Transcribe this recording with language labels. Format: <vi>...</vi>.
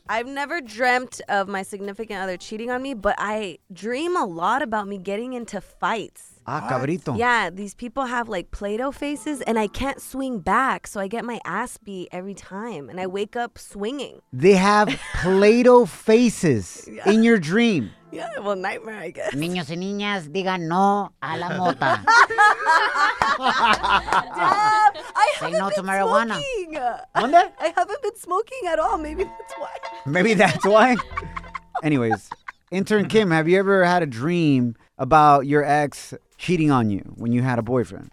<en>I've never dreamt of my significant other cheating on me, but I dream a lot about me getting into fights.</en> <es>Ah, cabrito.</es> <en>Yeah, these people have like Play-Doh faces and I can't swing back, so I get my ass beat every time and I wake up swinging. They have Play-Doh faces in your dream. Yeah, well, nightmare, I guess.</en> <es>Niños y niñas, digan no a la mota.</es> <en>Damn, I say haven't no been to marijuana. Smoking.</en> <es>¿Dónde?</es> <en>I haven't been smoking at all. Maybe that's why. Maybe that's why? Anyways, intern Kim, have you ever had a dream about your ex cheating on you when you had a boyfriend?</en>